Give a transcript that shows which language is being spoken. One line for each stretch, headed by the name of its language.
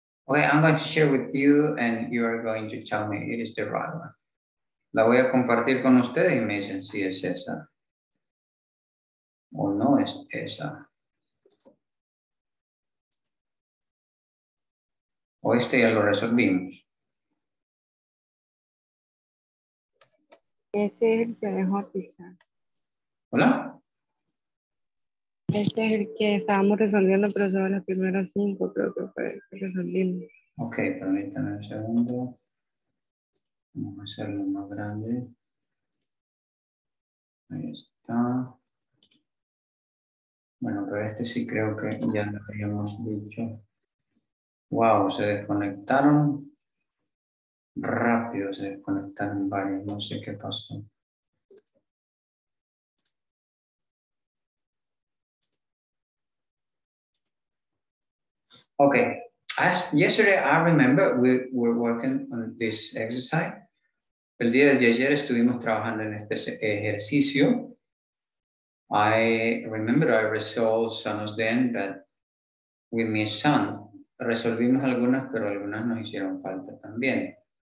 English: Okay, I'm going to share with you and you are going to tell me it is the right one.
Spanish: La voy a compartir con ustedes y me dicen si es esa o no es esa. O este ya lo resolvimos. Ese es el que dejó pisar. ¿Hola? Este es el que estábamos resolviendo, pero son las primeras cinco, creo que fue resolviendo. Ok, permítanme un segundo. Vamos a hacerlo más grande. Ahí está. Bueno, pero este sí creo que ya lo habíamos dicho. Wow, se desconectaron. Rápido se desconectaron varios. No sé qué pasó. Ok.
English: As yesterday, I remember we were working on this exercise.
Spanish: El día de ayer estuvimos trabajando en este ejercicio.
English: I remember I resolved some of them, but we missed some.
Spanish: Resolvimos algunas, pero algunas nos hicieron falta también.